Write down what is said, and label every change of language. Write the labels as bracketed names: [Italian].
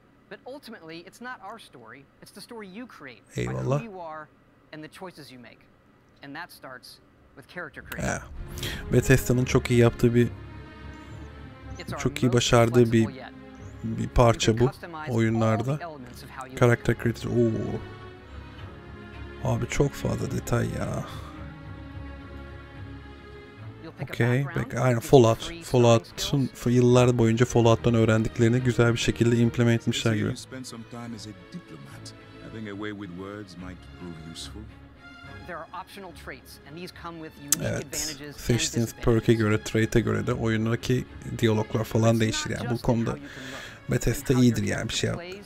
[English] But ultimately, it's not our story, it's the story you create. [Turkish] Eyvallah. [English] By who you are and the choices you make. And that starts with character creation. Yeah. [Turkish] Bethesda'nın çok iyi yaptığı çok iyi başardığı bir parça bu oyunlarda. Character creation. Oo. Abi çok fazla detay ya. Okay, aynen Fallout. Fallout'un yıllar boyunca Fallout'tan öğrendiklerini güzel bir şekilde implement etmişler gibi. [English] Spend some time as a diplomat. Having a way with words might prove useful. There are optional traits and these come with unique advantages. [Turkish] Seçtiğiniz perk'e göre, trait'e göre de oyundaki diyaloglar falan değişir yani. Bu konuda Bethesda iyidir yani, bir şey yap.